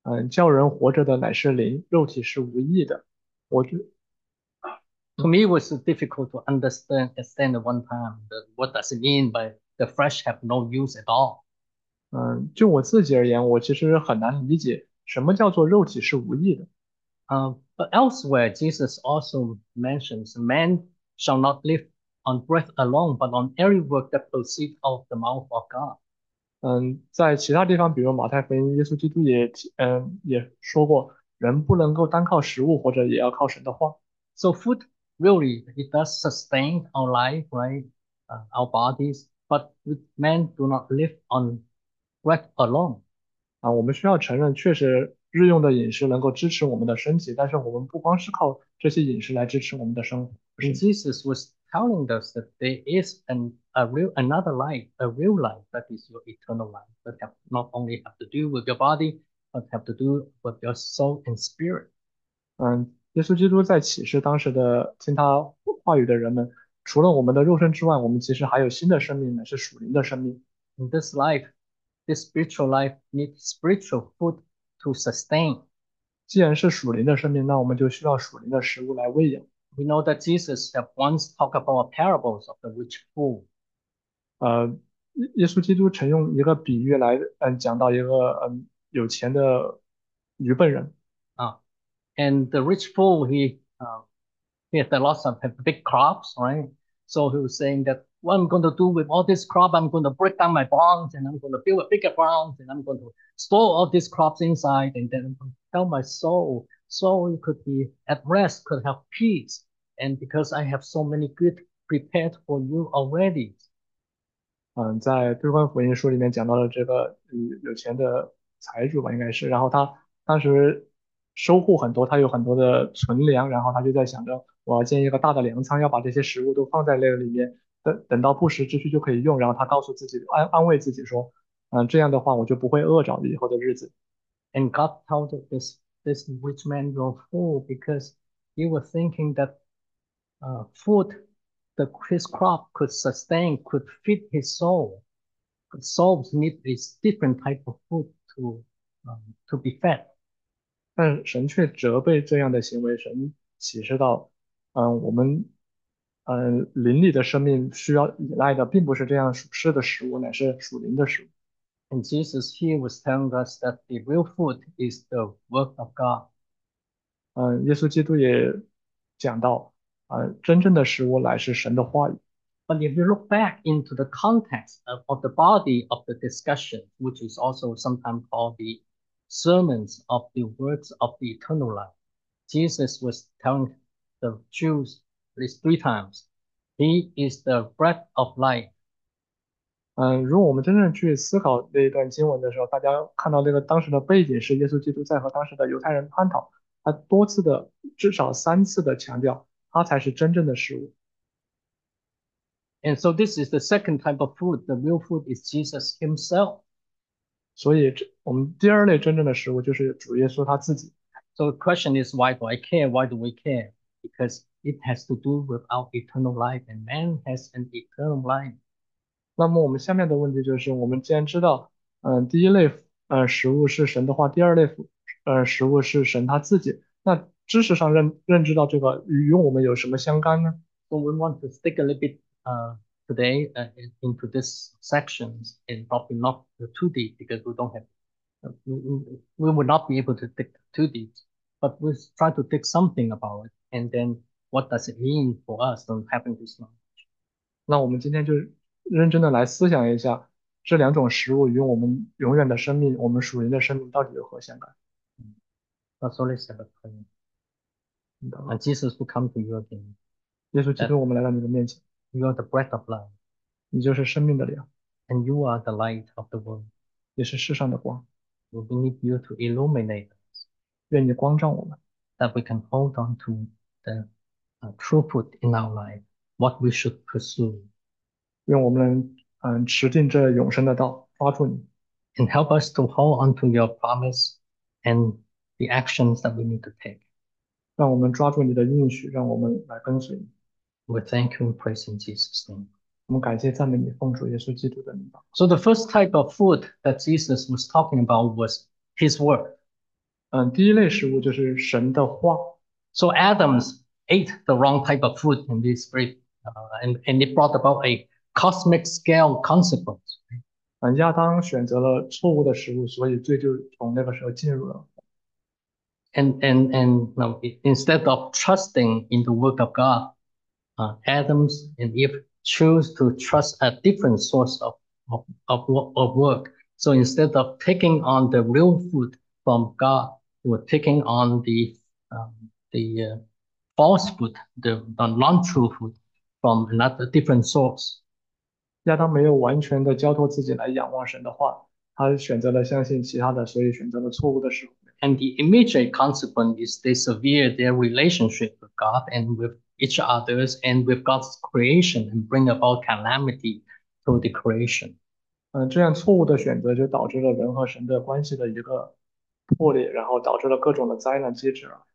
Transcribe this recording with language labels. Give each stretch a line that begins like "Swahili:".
Chinese: 叫人活着的乃是灵，肉体是无益的。
English: To me, it was difficult to understand one time what does it mean by the flesh have no use at all.
Chinese: 就我自己而言，我其实很难理解什么叫做肉体是无益的。
English: But elsewhere, Jesus also mentions man shall not live on bread alone, but on every word that proceeds out of the mouth of God.
Chinese: 在其他地方，比如马太福音，耶稣基督也说过，人不能够单靠食物活着，也要靠神的话。
English: So food really it does sustain our life, right? Our bodies, but men do not live on bread alone.
Chinese: 我们需要承认，确实日用的饮食能够支持我们的身体，但是我们不光是靠这些饮食来支持我们的生活，不是？
English: And Jesus was telling us that there is another life, a real life that is your eternal life, that have not only have to do with your body, but have to do with your soul and spirit.
Chinese: 耶稣基督在启示当时的听他话语的人们，除了我们的肉身之外，我们其实还有新的生命呢，是属灵的生命。
English: In this life, this spiritual life needs spiritual food to sustain.
Chinese: 既然是属灵的生命，那我们就需要属灵的食物来喂养。
English: We know that Jesus have once talked about parables of the rich fool.
Chinese: 耶稣基督曾用一个比喻来，讲到一个有钱的愚笨人。
English: And the rich fool, he had a lot of big crops, right? So he was saying that what I'm going to do with all this crop, I'm going to break down my barns and I'm going to build a bigger barn and I'm going to store all these crops inside and then tell my soul, so it could be at rest, could have peace. And because I have so many good prepared for you already.
Chinese: 在对观福音书里面讲到了这个有钱的财主吧，应该是，然后他当时收获很多，他有很多的存粮，然后他就在想着我要建一个大的粮仓，要把这些食物都放在那个里面，等到不时之需就可以用。然后他告诉自己，安慰自己说，这样的话我就不会饿着以后的日子。
English: And God told this rich man, you're a fool, because he was thinking that food, his crop could sustain, could feed his soul. Souls need this different type of food to be fed.
Chinese: 但神却责备这样的行为，神启示到，我们，灵里的生命需要依赖的，并不是这样属世的食物，乃是属灵的食物。
English: And Jesus here was telling us that the real food is the work of God.
Chinese: 耶稣基督也讲到，真正的食物乃是神的话语。
English: But if you look back into the context of the body of the discussion, which is also sometimes called the sermons of the words of the eternal life, Jesus was telling the Jews at least three times, He is the bread of life.
Chinese: 如果我们真正去思考那一段经文的时候，大家看到那个当时的背景是耶稣基督在和当时的犹太人探讨，他多次的，至少3次的强调，他才是真正的食物。
English: And so this is the second type of food. The real food is Jesus himself.
Chinese: 所以这我们第二类真正的食物就是主耶稣他自己。
English: So the question is, why do I care? Why do we care? Because it has to do with our eternal life, and man has an eternal life.
Chinese: 那么我们下面的问题就是，我们既然知道，第一类食物是神的话，第二类食物是神他自己，那知识上认知到这个与我们有什么相干呢？
English: So we want to stick a little bit today into this section and probably not too deep because we don't have we would not be able to dig too deep, but we'll try to dig something about it and then what does it mean for us to having this knowledge.
Chinese: 那我们今天就认真的来思想一下，这两种食物与我们永远的生命，我们属灵的生命到底有何相干？
English: So let's have a prayer.
Chinese: 你祷
English: And
Chinese: 告。
English: Jesus will come to you again
Chinese: 耶稣基
English: that
Chinese: 督，我们来到你的面前，
English: You are the breath of life,
Chinese: 你就是生命的粮，
English: and you are the light of the world.
Chinese: 也是世上的光。
English: We need you to illuminate us,
Chinese: 愿你光照我们。
English: that we can hold on to the truth in our life, what we should pursue,
Chinese: 愿我们持定这永生的道，抓住你。
English: and help us to hold on to your promise and the actions that we need to take.
Chinese: 让我们抓住你的应许，让我们来跟随你。
English: We thank you and praise in Jesus' name.
Chinese: 我们感谢赞美你，奉主耶稣基督的名祷
English: So the first type of food that Jesus was talking about was his word.
Chinese: 告。第一类食物就是神的话。
English: So Adam's ate the wrong type of food in this great, and it brought about a cosmic scale consequence.
Chinese: 亚当选择了错误的食物，所以罪就从那个时候进入了。
English: And no, instead of trusting in the work of God, Adam and Eve choose to trust a different source of work. So instead of taking on the real food from God, we're taking on the false food, the non-true food from another different source.
Chinese: 亚当没有完全的交托自己来仰望神的话，他选择了相信其他的，所以选择了错误的食物。
English: And the immediate consequence is they sever their relationship with God and with each others and with God's creation and bring about calamity to the creation.
Chinese: 这样错误的选择就导致了人和神的关系的一个破裂，然后导致了各种的灾难机制啊。